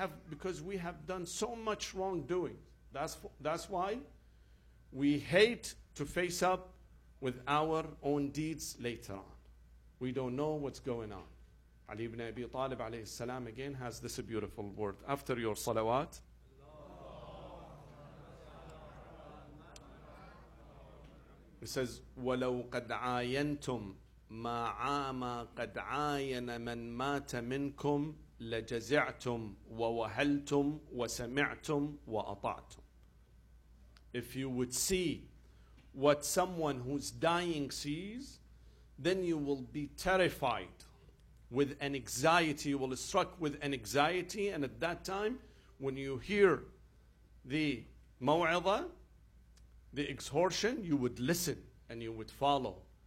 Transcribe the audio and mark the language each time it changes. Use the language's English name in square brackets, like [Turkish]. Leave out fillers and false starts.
[English] Because we have done so much wrongdoing. That's why we hate to face up with our own deeds later on. We don't know what's going on. Ali ibn Abi Talib alayhi salam again has this beautiful word. After your salawat, it says, [Arabic] وَلَوْ قَدْ عَايَنْتُمْ مَا عَامَا قَدْ عَايَنَ مَنْ مَاتَ مِنْكُمْ لَجَزِعْتُمْ وَوَهَلْتُمْ وَسَمِعْتُمْ وَأَطَعْتُمْ. [English] If you would see what someone who's dying sees, then you will be terrified with an anxiety. You will be struck with an anxiety. And at that time, when you hear the maw'idha, the exhortation, you would listen and you would follow.